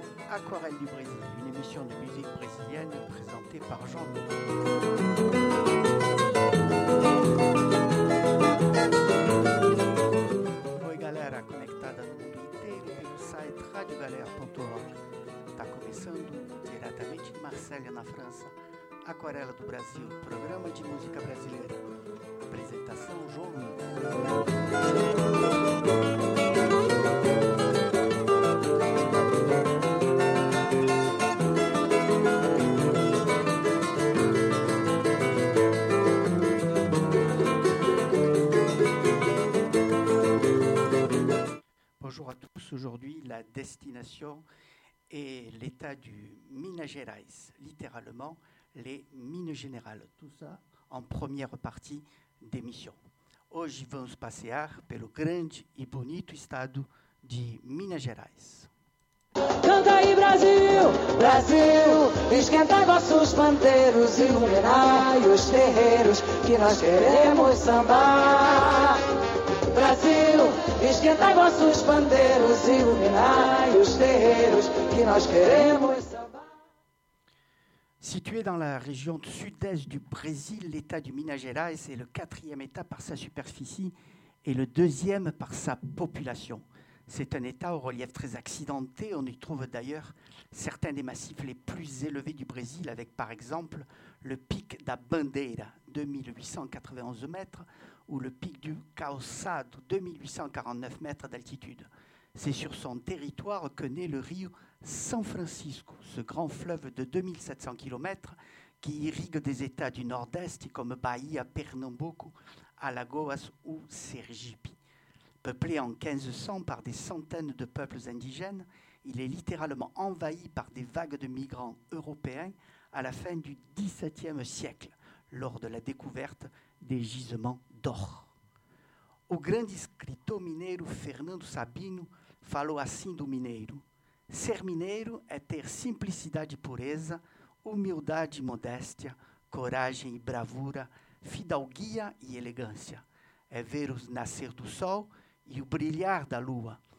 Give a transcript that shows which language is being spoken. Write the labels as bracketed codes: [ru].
[fr] Aquarelle du Brésil, une émission de musique brésilienne présentée par Jean Moulin. [pt] Oi galera conectada no mundo inteiro pelo site radiogalera.org. Está começando diretamente de Marselha, na França, Aquarela do Brasil, programa de música brasileira. Apresentação João Moulin. [fr] Aujourd'hui, la destination est l'état du Minas Gerais, littéralement les mines générales. Tout ça en première partie d'émission. [pt] Hoje vamos passear pelo grande e bonito estado de Minas Gerais. Canta aí, Brasil! Brasil! Esquenta vossos panteiros, iluminai os terreiros que nós queremos sambar. Brasil, esquenta vossos pandeiros, iluminai os terreiros que nós queremos sambar. [fr] Situé dans la région sud-est du Brésil, l'état du Minas Gerais est le quatrième état par sa superficie et le deuxième par sa population. C'est un état au relief très accidenté. On y trouve d'ailleurs certains des massifs les plus élevés du Brésil, avec par exemple le pic da Bandeira, 2891 mètres, ou le pic du Caoçado, 2849 mètres d'altitude. C'est sur son territoire que naît le Rio San Francisco, ce grand fleuve de 2700 km qui irrigue des états du nord-est comme Bahia, Pernambuco, Alagoas ou Sergipe. Peuplé en 1500 par des centaines de peuples indigènes, il est littéralement envahi par des vagues de migrants européens à la fin du XVIIe siècle, lors de la découverte des gisements d'or. [pt] O grande escritor mineiro Fernando Sabino falou assim do mineiro: ser mineiro é ter simplicidade e pureza, humildade e modéstia, coragem e bravura, fidalguia e elegância. É ver o nascer do sol e o brilhar da lua.